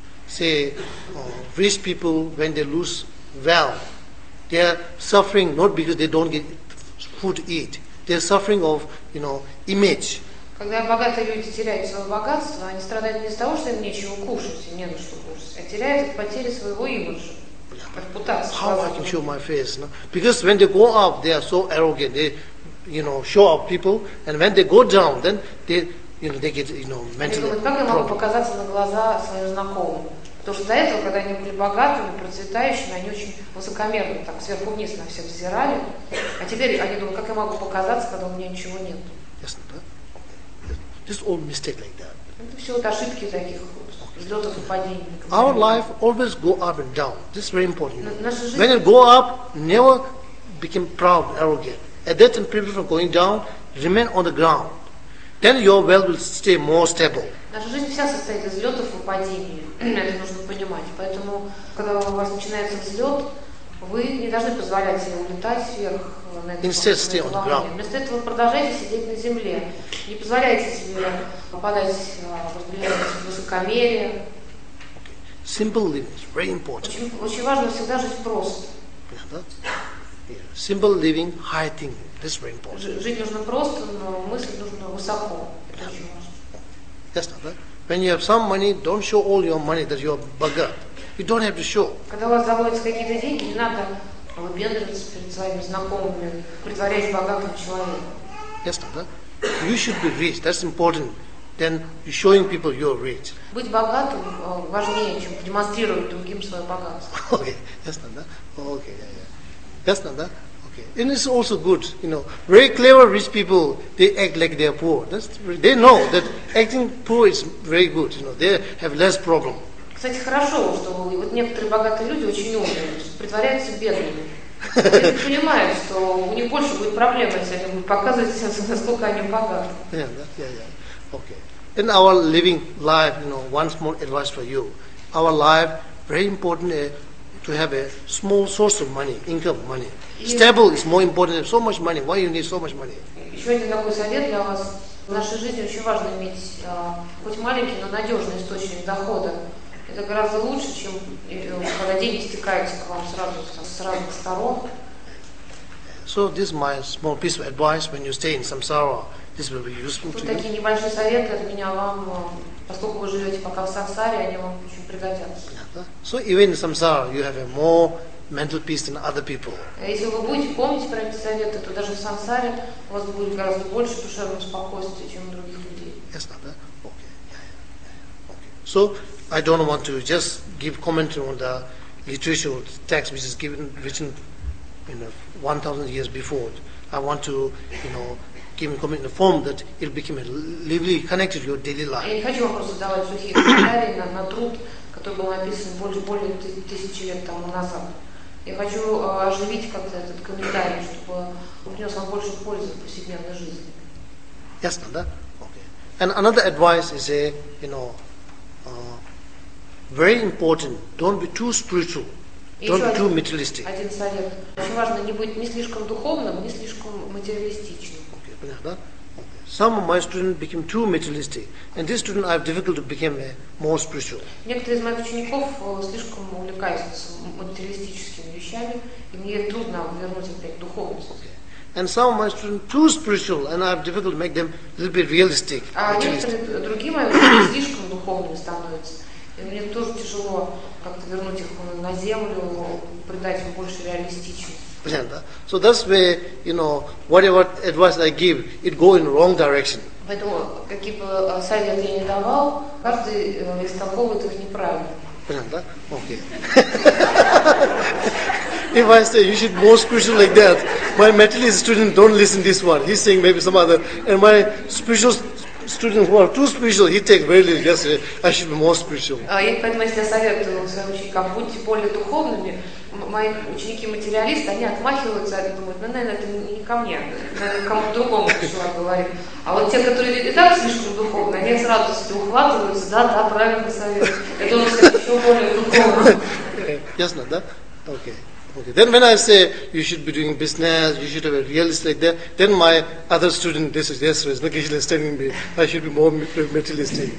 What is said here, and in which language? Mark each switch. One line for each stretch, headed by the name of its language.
English: See, rich people, when they lose wealth, they are suffering not because they don't get food to eat. They're suffering of, you know, image.
Russian: Когда богатые люди теряют свое богатство, они страдают не из-за того, что им нечего кушать, им не на что кушать, а теряют от потери своего имиджа, репутации.
English: How I can show my face, no? Because when they go up, they are so arrogant. They, you know, show up people, and when they go down, then they, you know, they get, you know, mentally.
Russian: Как я могу показаться на глаза своим знакомым? Потому что до этого, когда они были богатыми, процветающими, они очень высокомерно так сверху вниз на всех взирали. А теперь они думают, как я могу показаться, когда у меня ничего нет. Ясно, да?
English: This old mistake like that.
Russian: Это все вот ошибки таких взлетов и падений.
English: Our life always go up and down. This is very important.
Russian: Наша жизнь.
English: When you go up, never become proud, arrogant. At that time, prepare for going down, remain on the ground. Then your wealth will stay more stable.
Russian: Наша жизнь вся состоит из взлетов и падений. Это нужно понимать. Поэтому, когда у вас начинается взлет, вы не должны позволять себе улетать вверх на этой волне. Вместо этого продолжайте сидеть на земле. Не позволяйте себе попадать в высокомерие.
English: Okay. Simple living is very important.
Russian: Очень важно всегда жить просто.
English: Simple living, high thinking. This is very important.
Russian: Жить нужно просто, но мысль нужно высоко.
English: Yes, not that. When you have some money, don't show all your money that you are
Russian: богат.
English: You don't have to show.
Russian: Когда у вас заводятся какие-то деньги, не надо выпендриваться перед своими знакомыми, притворять богатым человеком.
English: Yes, not that. You should be rich. That's important. Then showing people you are rich.
Russian: Быть богатым важнее, чем демонстрировать другим свое богатство.
English: Okay. Yes, not that. Okay. Yeah, yeah. Yes, not that. And it's also good, you know, very clever rich people, they act like they are poor. That's they know that acting poor is very good, you know, they have less problem.
Russian: Кстати, хорошо, что вот некоторые богатые люди очень умные, притворяются бедными. Они понимают, что у них больше будет проблем, если они будут показывать, насколько они богаты.
English: Yeah, yeah, yeah. Okay. in our living life, you know, one small advice for you. Our life, very important to have a small source of money, income money. Stable is more important than so much money. Why you need so much money?
Russian: Еще один такой совет для вас. В нашей жизни очень важно иметь хоть маленький, но надежный источник дохода. Это гораздо лучше, чем когда деньги стекаются к вам сразу с разных сторон.
English: So this is my small piece of advice when you stay in samsara. This will be useful to you.
Russian: Такие небольшие советы от меня вам, поскольку вы живете пока в самсаре, они вам очень пригодятся.
English: So even in samsara, you have a more mental peace than other people.
Russian: Если вы будете помнить про эти советы, то даже в самсаре у вас будет гораздо больше душевного спокойствия, чем у других людей.
English: Yes, Nanda. Okay. Yeah. Okay. So I don't want to just give comment on the literature text which is given written. You know, 1,000 years before, I want to, you know, give you a form that it became a lively connected to your daily life.
Russian: Я не хочу вам просто давать сухие комментарии на труд, который был написан более тысячи лет тому назад. Я хочу оживить как-то этот комментарий, чтобы он принес вам больше пользы в повседневной жизни. Ясно, да?
English: Okay. And another advice is very important. Don't be too spiritual. Don't be too materialistic.
Russian: Один совет. Очень важно не быть ни слишком духовным, ни слишком материалистичным.
English: Okay,
Russian: понятно, да?
English: Some of my students became too materialistic, and this student I have difficulty to become more spiritual.
Russian: Некоторые из моих учеников слишком увлекаются материалистическими вещами, и мне трудно вернуть опять духовность.
English: Okay. And some of my students too spiritual, and I have difficulty to make them a little bit realistic.
Russian: А некоторые другие мои ученики слишком духовными становятся. Мне тоже тяжело как-то вернуть их на землю, придать им больше реалистичности. Понятно.
English: So that's where, you know, whatever advice I give, it go in the wrong direction.
Russian: Поэтому какие бы советы я ни давал, каждый истолковывает их неправильно. Понятно, да?
English: Okay. If I say you should be more spiritual like that, my materialist student don't listen to this one. He's saying maybe some other. And my spiritual students who are too spiritual, he takes very little. Yes, I should be more spiritual.
Russian: Поэтому я советую своим ученикам, будьте более духовными. Мои ученики-материалисты, они отмахиваются, они думают, ну, наверное, это не ко мне, наверное, кому-то другому пришла говорить. А вот те, которые и так слишком духовные, они с радостью ухватываются, да, правильный совет. Это у нас еще более духовно. Ясно, да? Окей.
English: Okay. Then when I say you should be doing business, you should have a realist like that, then my other student, this is yesterday's location, is telling me I should be more materialistic.